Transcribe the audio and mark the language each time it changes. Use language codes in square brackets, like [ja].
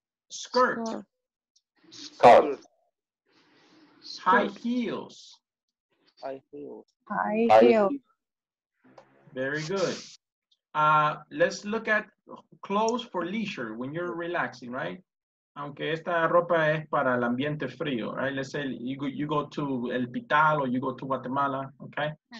[en] Skirt. Skirt. High heels. High heels. High heels. Very good. Let's look at clothes for leisure, when you're relaxing, right? [es] Aunque esta ropa es para el ambiente frío, right? [en] Let's say you go to El Pital or you go to Guatemala, okay?